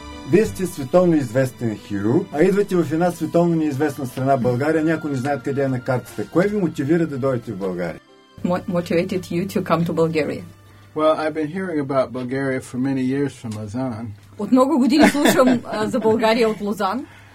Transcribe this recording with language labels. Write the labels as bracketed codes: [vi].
[bg] Вие сте световно известен хирург, а идвате в една световно неизвестна страна България, някой не знаят къде е на картата. Кое ви мотивира да дойдете в България? [en] Motivated you to come to Bulgaria. Well, I've been hearing about Bulgaria for many years from Lausanne. [bg] От много години слушам за България от Лозан.